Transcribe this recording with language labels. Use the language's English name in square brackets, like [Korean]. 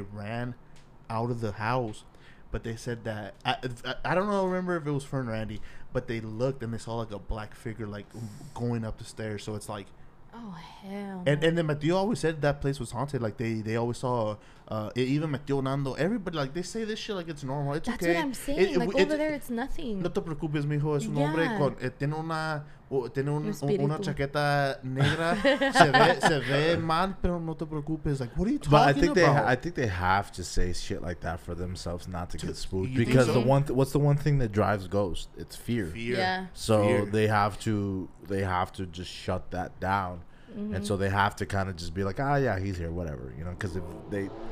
[English] They ran out of the house, but they said that I don't know. I remember if it was Fern or Andy. But they looked and they saw like a black figure like going up the stairs. So it's like, oh hell. And then Matteo always said that place was haunted. Like they always saw even Matteo, Nando, everybody, like they say this shit like it's normal. It's that's okay. That's what I'm saying. Over there it's nothing. [Spanish] No te preocupes, mijo. Es un hombre con tiene una chaqueta negra. se ve mal, pero no te preocupes. [English] Like, what are you talking about? But I think they have to say shit like that for themselves not to get spooked. Because the one what's the one thing that drives ghosts? It's fear. Fear. Yeah. So fear. they have to just shut that down. Mm-hmm. And so they have to kind of just be like, ah, yeah, he's here, whatever. You know, because if they.